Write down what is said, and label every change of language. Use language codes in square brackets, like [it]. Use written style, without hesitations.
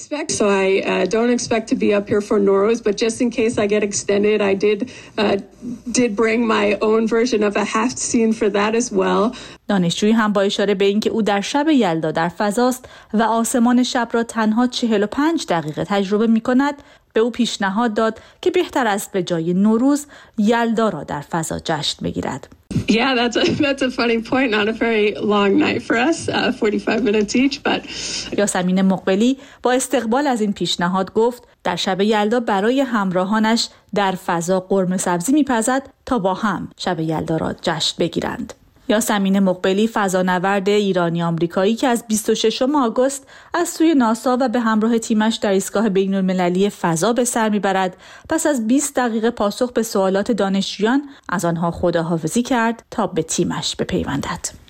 [en] So I don't expect to be up here for Noroz, but just in case I get extended, I did bring my own version of a half scene for that as well. [fa] دانشجویی هم با اشاره به اینکه او در شب یلدا در فضاست و آسمان شب را تنها 45 دقیقه تجربه می‌کند، به او پیشنهاد داد که بهتر است به جای نوروز یلدا را در فضا جشن بگیرد. [en] Yeah, that's a funny point. Not a very long night for us, 45 minutes each, but [fa] یاسمین مقبلی با استقبال از این پیشنهاد گفت در شب یلدا برای همراهانش در فضا قرمه سبزی می‌پزد تا با هم شب یلدا را جشن بگیرند. یاسمین مقبلی فضانورد ایرانی آمریکایی که از 26 آگوست از سوی ناسا و به همراه تیمش در ایستگاه بین‌المللی فضا به سر می‌برد، پس از 20 دقیقه پاسخ به سوالات دانشجویان از آنها خداحافظی کرد تا به تیمش بپیوندد.